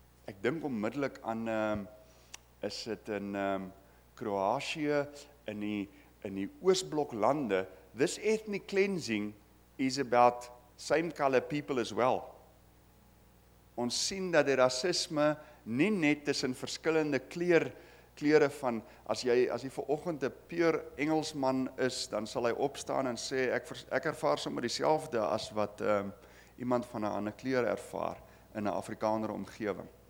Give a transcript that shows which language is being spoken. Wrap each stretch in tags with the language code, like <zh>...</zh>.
<af>Ek dink onmiddellik aan is dit in Kroasie in die Oosblok lande.</af> <en>This ethnic cleansing is about same color people as well.</en> <af>Ons sien dat die rasisme nie net tussen verskillende kleure van, as jy vanoggend 'n peer Engelsman is, dan sal hy opstaan en sê, ek ervaar sommer dieselfde as wat iemand van 'n ander kleur ervaar in 'n Afrikaner omgewing.</af>